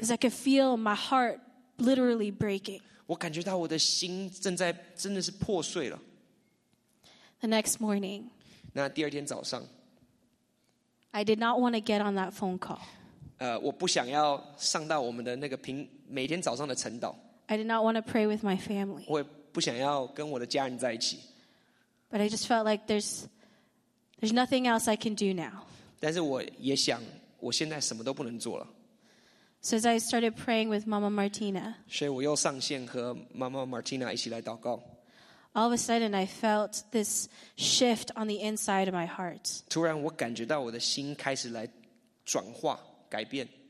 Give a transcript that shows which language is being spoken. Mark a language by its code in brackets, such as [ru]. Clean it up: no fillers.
[en] Because I could feel my heart literally breaking. [zh] 我感觉到我的心真的是破碎了。 [en] The next morning. [zh] 那第二天早上。 [en] I did not want to get on that phone call. [zh] 我不想要上到我们的那个每天早上的晨祷。 [en] I did not want to pray with my family. [zh] 我也不想要跟我的家人在一起。 [en] But I just felt like there's nothing else I can do now. [zh] 但是我也想我现在什么都不能做了。 [en] So as I started praying with Mama Martina, [zh] 所以我又上线和Mama Martina一起来祷告。 [en] All of a sudden, I felt this shift on the inside of my heart. [zh] 突然我感觉到我的心开始来转化改变。